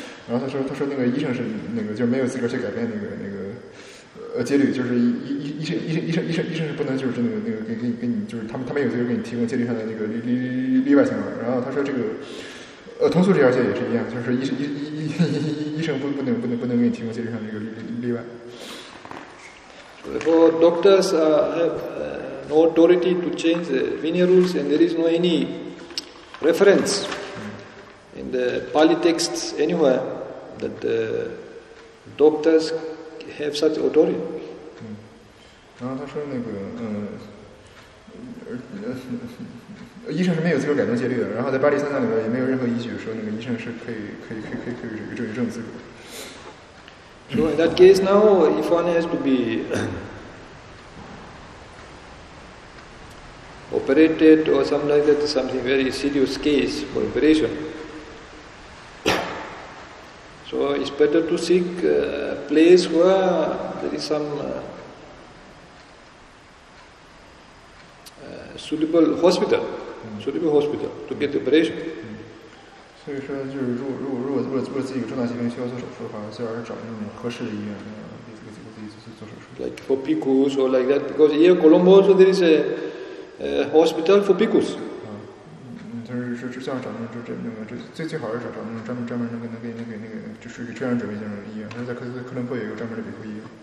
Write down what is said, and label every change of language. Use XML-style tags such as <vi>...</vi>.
<zh>然后他说那个医生是那个就是没有资格去改变那个戒律，就是医生是不能就是那个给你就是他没有资格给你提供戒律上的那个例外情况。然后他说这个同素这条戒也是一样，就是医生不能给你提供戒律上的那个例外。</zh> <en>For doctors have no authority to change the Vinaya rules, and there is no any reference in the Pali texts anywhere that the doctors have such authority.</en> <zh>然后他说那个医生是没有资格改动戒律的。然后在巴黎三藏里面也没有任何依据说那个医生是可以有这种资格。</zh> <en>So in that case, now if one has to be operated or something like that, something very serious case for operation, so it's better to seek a place where there is some suitable hospital to get operation.</en> <zh>所以说，就是如果自己有重大疾病需要做手术的话，最好是找那种合适的医院，自己做手术。</zh> <en>Like for bhikkhus or like that, because here Colombo also there is a hospital for bhikkhus.</en> <zh>就是找那种最好是找那种专门能给就是给志愿者准备那种医院。那在科伦坡也有专门的比库医院。</zh>